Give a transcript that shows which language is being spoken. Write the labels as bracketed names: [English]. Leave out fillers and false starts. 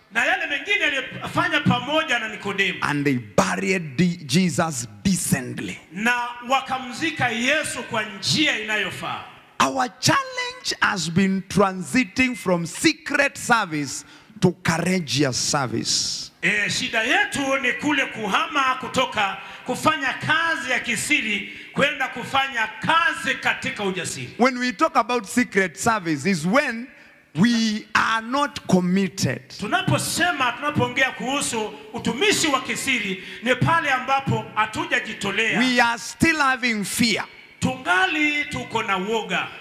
[Swahili] Na yale mengine aliyofanya pamoja na Nikodemo. [English] And they buried Jesus decently. [Swahili] Na wakamzika Yesu kwa njia inayofaa. [English] Our challenge has been transiting from secret service to courageous service. [Swahili] Shida yetu ni kule kuhama kutoka kufanya kazi ya kisiri kwenda kufanya kazi katika ujasiri. [English] When we talk about secret service is when we are not committed. [Swahili] Tunaposema tunapoongea kuhusu utumishi wa kisiri ni pale ambapo hatujajitolea. [English] We are still having fear. [Swahili] Tungali tuko na woga.